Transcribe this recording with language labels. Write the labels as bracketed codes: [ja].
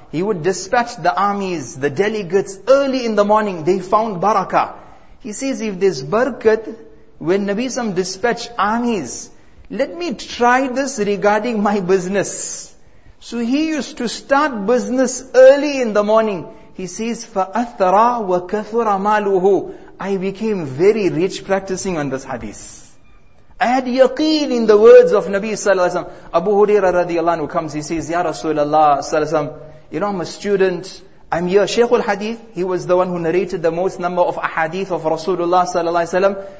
[en] He would dispatch the armies, the delegates, early in the morning. They found barakah. He says, if this barakat, when Nabi Sam dispatch armies, let me try this regarding my business. So he used to start business early in the morning. [ar] He says, فَأَثَّرَ وَكَثُرَ مَالُهُ. [en] I became very rich practicing on this hadith. I had yaqeen in the words of Nabi Sallallahu Alaihi Wasallam. Abu Huraira radiallahu anhu comes, he says, Ya Rasulallah Sallallahu Alaihi Wasallam, you know, I'm a student. I'm here. Shaykh al-Hadith, he was the one who narrated the most number of ahadith of Rasulullah sallallahu alayhi wa sallam.